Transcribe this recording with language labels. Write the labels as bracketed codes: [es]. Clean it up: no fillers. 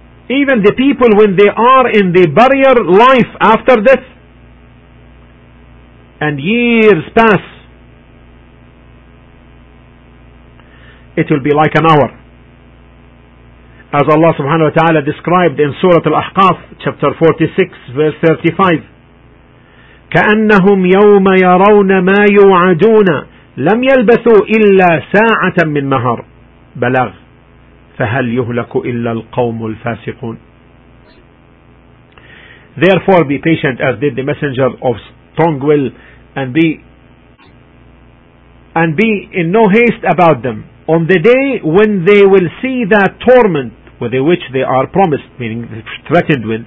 [en] Even the people, when they are in the barrier life after death, and years pass, it will be like an hour. As Allah subhanahu wa ta'ala described in Surah Al-Ahqaf, chapter 46, verse 35, [ar] كَأَنَّهُمْ يَوْمَ يَرَوْنَ مَا يُوعَدُونَ لَمْ يَلْبَثُوا إِلَّا سَاعَةً مِّنْ مَهَرْ بَلَغْ فَهَلْ يُهْلَكُ إِلَّا الْقَوْمُ الْفَاسِقُونَ. [en] Therefore be patient, as did the messenger of strong will, and be in no haste about them on the day when they will see that torment with which they are promised, meaning threatened with.